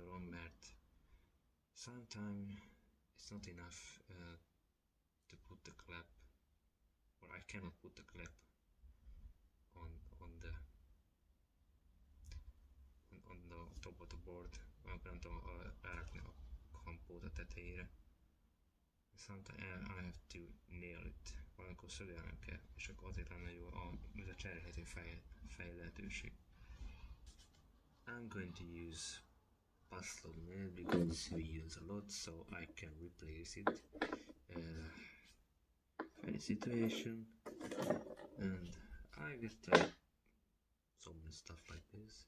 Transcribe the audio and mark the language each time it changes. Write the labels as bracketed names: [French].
[English] Mert sometimes it's not enough to put the clap, or I cannot put the clap on the top of the board. [Hungarian] Nem tudom rárakni a kampót a tetejére. [English] Sometimes I have to nail it. [Hungarian] Valamikor szögelnem kell, és akkor azért lenne jó a cserélhető fej lehetőség. [English] I'm going to use Paslov nail because we use a lot, so I can replace it. Any situation, and I get some stuff like this.